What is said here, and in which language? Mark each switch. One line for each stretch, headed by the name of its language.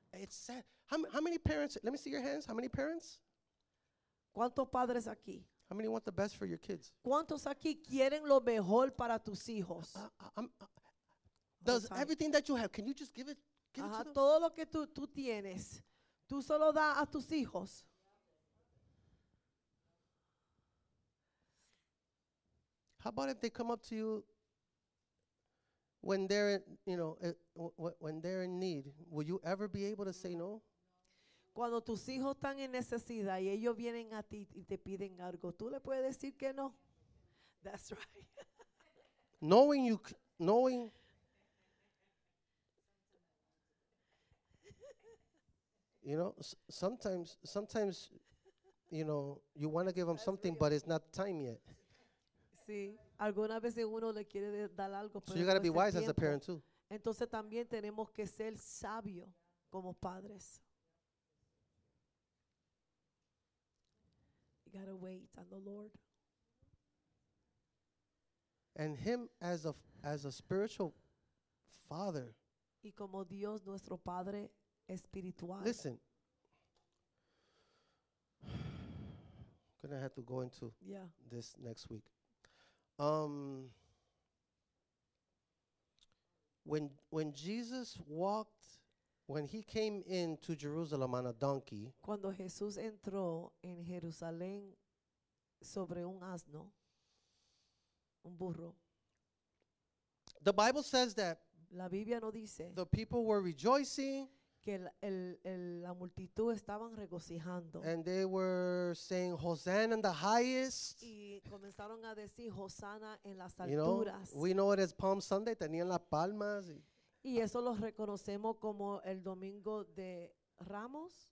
English: It's sad. How many parents? Let me see your hands. How many parents?
Spanish: ¿Cuántos padres aquí?
English: How many want the best for your kids?
Spanish: ¿Cuántos aquí quieren lo mejor para tus hijos?
English: Does everything that you have, can you just give it to them?
Spanish: Todo lo que tú tienes, tú solo da a tus hijos.
English: How about if they come up to you when they're when they're in need? Will you ever be able to say no?
Spanish: Cuando tus hijos están en necesidad y ellos vienen a ti y te piden algo, ¿tú le puedes decir que no?
English: That's right. Knowing. You know, sometimes, you know, you want to give them That's something, real. But it's not time yet.
Spanish: Sí, alguna vez uno le quiere dar algo.
English: So you got to be wise as a parent too.
Spanish: Entonces también tenemos que ser sabios como padres.
English: Gotta wait on the Lord. And him as a spiritual father.
Spanish: Y como Dios nuestro padre espiritual.
English: Listen. Gonna have to go into this next week. When Jesus walked, when he came into Jerusalem on a donkey.
Spanish: Cuando Jesús entró en Jerusalén sobre un asno, un burro.
English: The Bible says that
Spanish: la Biblia no dice
English: the people were rejoicing,
Spanish: que la multitud estaban regocijando,
English: and they were saying Hosanna in the highest.
Spanish: Y comenzaron a decir Hosanna en las alturas.
English: We know it as Palm Sunday.
Spanish: Tenían las palmas. Y eso lo reconocemos como el Domingo de Ramos.